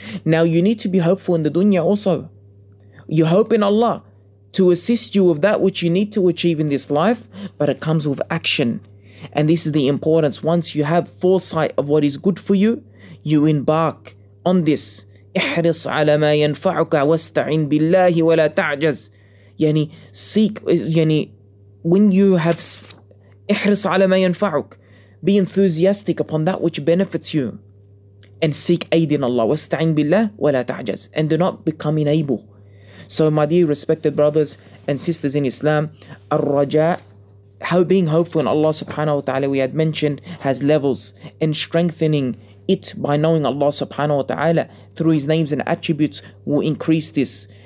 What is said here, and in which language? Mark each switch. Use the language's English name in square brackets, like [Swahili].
[English] Now you need to be hopeful in the dunya also. You hope in Allah to assist you with that which you need to achieve in this life, but it comes with action. And this is the importance. Once you have foresight of what is good for you, you embark on this. [Arabic] احرص على ما ينفعك واستعين بالله ولا تعجز. [English] يعني seek, يعني when you have, [Arabic] احرص على ما ينفعك, [English] be enthusiastic upon that which benefits you, and seek aid in Allah. [Arabic] واستعين بالله ولا تعجز, [English] and do not become unable. So my dear respected brothers and sisters in Islam, الرجاء, how being hopeful in Allah subhanahu wa ta'ala, we had mentioned, has levels, and strengthening it by knowing Allah subhanahu wa ta'ala through his names and attributes will increase this.